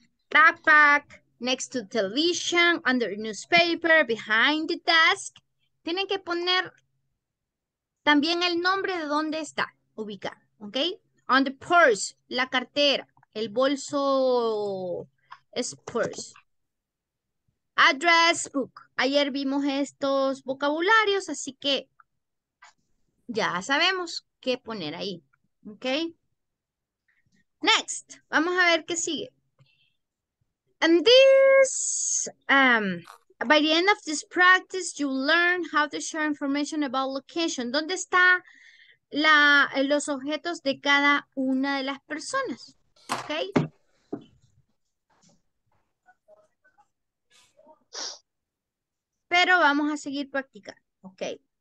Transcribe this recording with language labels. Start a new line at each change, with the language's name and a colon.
English: Backpack, next to television, under newspaper, behind the desk.
Spanish: Tienen que poner también el nombre de dónde está ubicado, ¿ok?
English: On the purse,
Spanish: la cartera, el bolso es
English: purse. Address book.
Spanish: Ayer vimos estos vocabularios, así que ya sabemos qué poner ahí, ¿ok? Next, vamos a ver qué sigue.
English: And this, by the end of this practice, you learn how to share information about location.
Spanish: ¿Dónde está los objetos de cada una de las personas?
English: Okay.
Spanish: Pero vamos a seguir practicando. Okay.